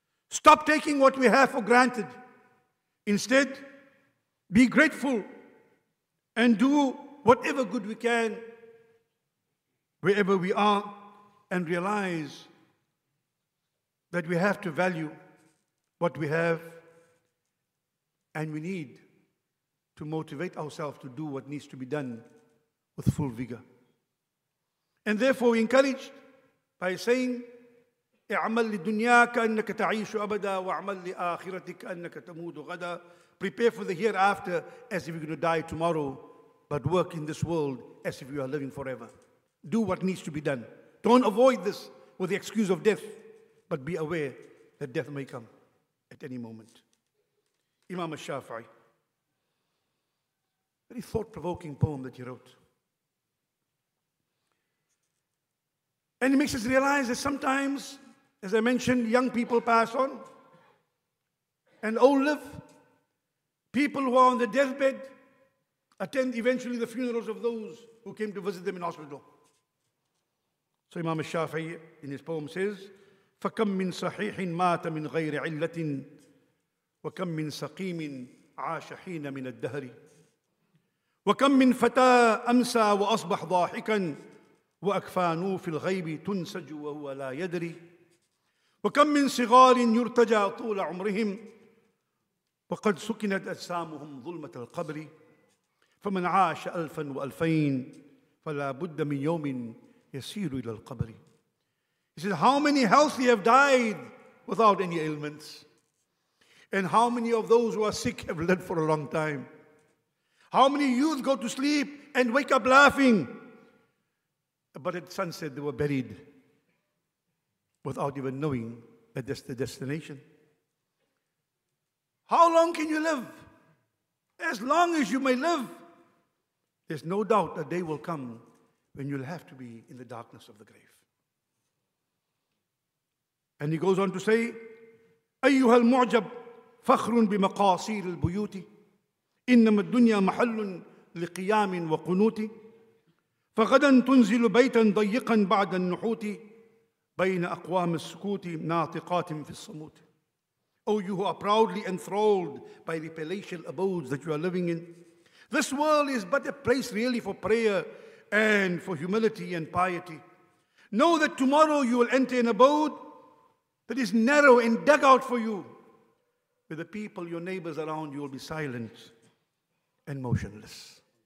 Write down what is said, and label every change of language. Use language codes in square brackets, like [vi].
[en] Stop taking what we have for granted. Instead, be grateful and do whatever good we can wherever we are, and realize that we have to value what we have, and we need to motivate ourselves to do what needs to be done with full vigor. And therefore, we encourage by saying, [ar] اعمل لدنياك أنك تعيش أبدا وعمل لآخرتك أنك تموت غدا. [en] Prepare for the hereafter as if you're going to die tomorrow, but work in this world as if you are living forever. Do what needs to be done. Don't avoid this with the excuse of death, but be aware that death may come at any moment. Imam al-Shafi'i, very thought-provoking poem that he wrote. And it makes us realize that sometimes, as I mentioned, young people pass on and old live. People who are on the deathbed attend eventually the funerals of those who came to visit them in hospital. So Imam al-Shafi'i in his poem says, [ar] فَكَمْ مِنْ صَحِيحٍ مَاتَ مِنْ غَيْرِ عِلَّةٍ وَكَمْ مِنْ سَقِيمٍ عَاشَ حِينَ مِنَ الدَّهْرِ وَكَمْ مِنْ فَتَى أَمْسَى وَأَصْبَحْ ضَاحِكًا وَأَكْفَانُ فِي الْغَيْبِ تُنْسَجُ وَهُوَ لَا يَدْرِي وَكَمْ مِنْ صِغَارٍ يُرْتَجَى طُولَ عُمْرِهِمْ وَقَدْ سُكِنَتْ أَجْسَامُهُمْ ظُلْمَةَ الْقَبْرِ فَمَنْ عَاشَ أَلْفًا وَأَلْفَيْنِ فَلَا بُدَّ مِنْ يَوْمٍ يَسِيرُ إِلَى الْقَبْرِ. [en] He says, how many healthy have died without any ailments? And how many of those who are sick have lived for a long time? How many youth go to sleep and wake up laughing, but at sunset they were buried without even knowing that that's the destination? How long can you live? As long as you may live, there's no doubt a day will come when you'll have to be in the darkness of the grave. And he goes on to say, [ar] أيها المعجب فخر بمقاصير البيوت إنما الدنيا محل لقيام وقنوت فغدا تنزل بيتا ضيقا بعد النحوت بين أقوام السكوت ناطقات في الصموت. [en] Oh, you who are proudly enthralled by the palatial abodes that you are living in, this world is but a place really for prayer and for humility and piety. Know that tomorrow you will enter an abode that is narrow and dug out for you, where the people, your neighbors around you, will be silent and motionless.